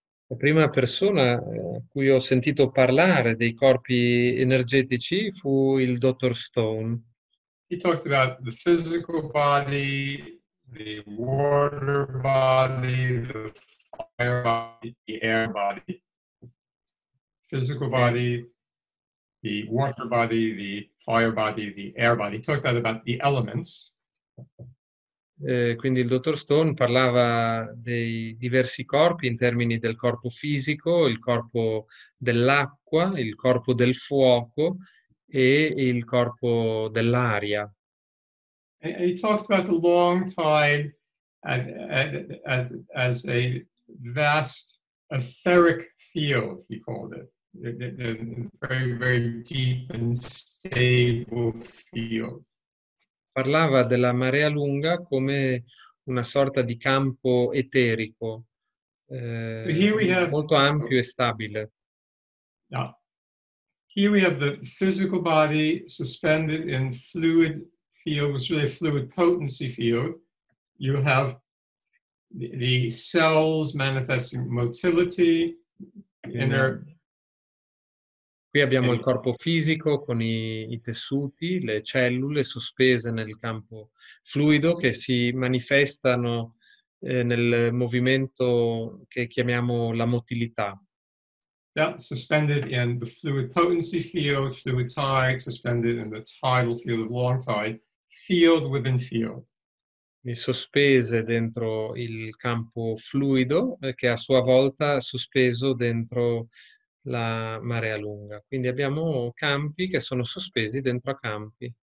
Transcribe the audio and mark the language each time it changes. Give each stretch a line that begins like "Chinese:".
Italian: La prima persona a cui ho sentito parlare dei corpi energetici fu il Dr. Stone.
English: He talked about the physical body, the water body, the fire body, the air body. Physical body, the water body, the fire body, the air body. He talked about the elements.
Italian: Quindi il dottor Stone parlava dei diversi corpi in termini del corpo fisico, il corpo dell'acqua, il corpo del fuoco e il corpo dell'aria.
English: And he talked about the long tide as a vast etheric field, he called it. very, very deep and stable field.
Italian: Parlava della marea lunga come una sorta di campo eterico, molto ampio e stabile.
English: Yeah. Here we have the physical body suspended in fluid field, which is really a fluid potency field. You have the cells manifesting motility, inert.
Italian: Qui abbiamo il corpo fisico con i tessuti, le cellule sospese nel campo fluido che si manifestano nel movimento che chiamiamo la motilità.
English: Yeah, suspended in the fluid potency field, fluid tide, suspended in the tidal field of long tide, field within field.
Italian: E sospese dentro il campo fluido che a sua volta sospeso dentro la marea lunga. Quindi abbiamo campi che sono sospesi dentro a campi.